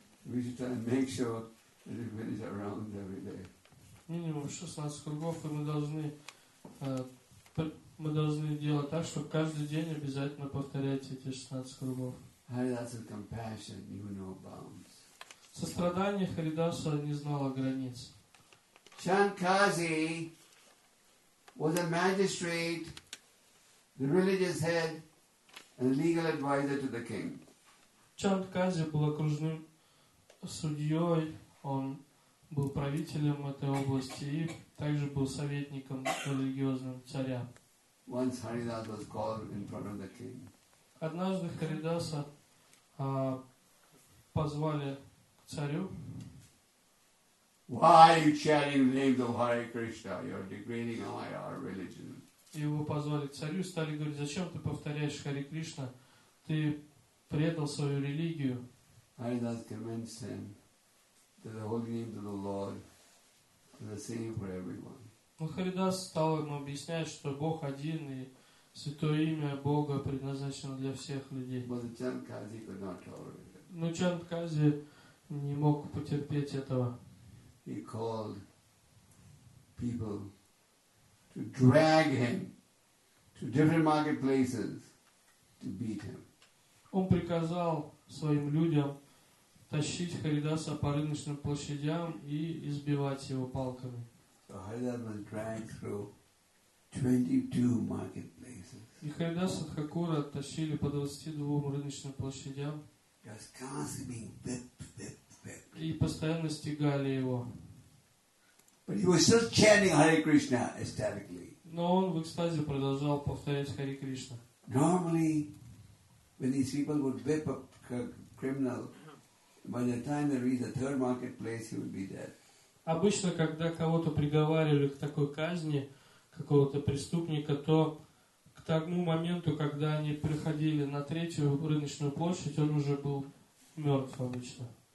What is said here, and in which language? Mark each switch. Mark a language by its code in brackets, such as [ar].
[en] We should try and make sure that we finish our rounds every day. [ru] Минимум 16 кругов, и мы должны делать так, чтобы каждый день обязательно повторять эти 16 кругов. [en] Haridas of compassion knew no bounds. [ru] Сострадание Харидаса не знало границ. [en] Shankazi was a magistrate, the religious head, and legal advisor to the king. [ru] Shankazi был окружным судьей, он был правителем этой области и также был советником религиозным царя. [en] Once Haridas was called in front of the king. [ru] Однажды Харидаса позвали к царю. [en] Why are you chanting the name of Hare Krishna? You're degrading all our religion. [ru] Его позвали к царю и стали говорить, зачем ты повторяешь Харе Кришна? Ты предал свою религию. [en] Haridas convinced him that the holy names of the Lord are the same for everyone. [ru] Но Харидас стал ему объяснять, что Бог один, и святое имя Бога предназначено для всех людей. [en] But the Chandkazi could not tolerate it. [ru] Но Чандкази не мог потерпеть этого. [en] He called people to drag him to different marketplaces to beat him. [ru] Он приказал своим людям тащить Харидаса по рыночным площадям и избивать его палками. [en] So Haridas was dragged through 22 marketplaces. [ru] И Харидаса Хакура тащили по 22 рыночным площадям. [en] Just constantly being whipped. [ru] И постоянно стегали его. [en] But he was still chanting Hare Krishna ecstatically. [ru] Но он в экстазе продолжал повторять Хари Кришна. [en] Normally, when these people would whip up criminal, by the time they reach the third marketplace, he would be dead. [ru] Обычно, когда кого-то приговаривали к такой казни, какого-то преступника, то к тому моменту, когда они приходили на третью рыночную площадь, он уже был мертв обычно.